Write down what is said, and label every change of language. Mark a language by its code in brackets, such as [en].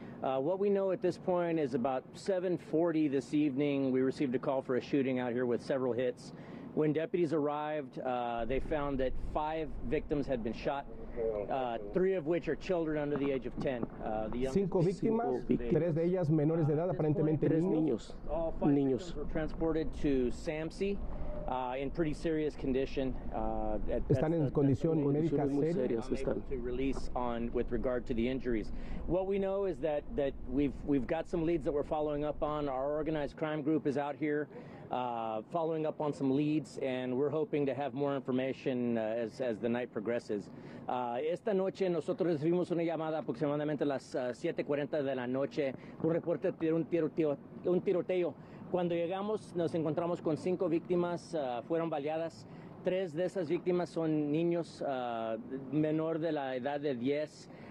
[en] What we know at this point is about 7:40 this evening, we received a call for a shooting out here with several hits. When deputies arrived, they found that five victims had been shot, three of which are children under the age of 10. [es] Cinco víctimas, tres de ellas menores de edad, aparentemente tres niños. [en] All five niños. Victims were transported to SAMHSA in pretty serious condition. [es] Están en condición médica seria. [en] To release on with regard to the injuries. What we know is that we've got some leads that we're following up on. Our organized crime group is out here following up on some leads, and we're hoping to have more information as the night progresses. [es] Esta noche nosotros recibimos una llamada aproximadamente a las 7:40 de la noche, un reporte de un tiroteo. Cuando llegamos, nos encontramos con cinco víctimas, fueron baleadas. Tres de esas víctimas son niños menor de la edad de 10.